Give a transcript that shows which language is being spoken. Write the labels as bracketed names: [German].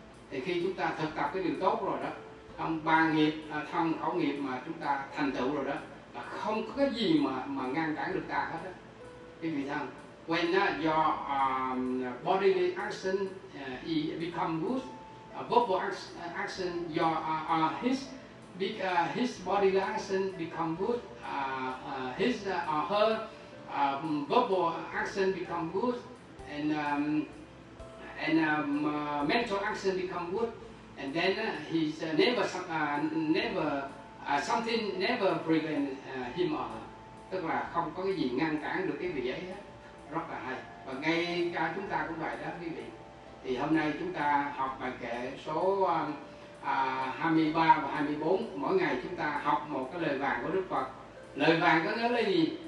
[Vietnamese] Thì khi chúng ta thực tập cái điều tốt rồi đó, trong ba nghiệp, thân khẩu nghiệp mà chúng ta thành tựu rồi đó, là không có cái gì mà ngăn cản được ta hết á. Cái vị thân, [English] when your bodily action become good, verbal action, your his bodily action become good, his or her verbal action become good, and mental action become good, and then he's never prevent him or her. [Vietnamese] Tức là không có cái gì ngăn cản được cái vị ấy hết. Rất là hay. Và ngay cả chúng ta cũng vậy đó quý vị. Thì hôm nay chúng ta học bài kệ số 23 và 24. Mỗi ngày chúng ta học một cái lời vàng của Đức Phật. Lời vàng có nghĩa là gì?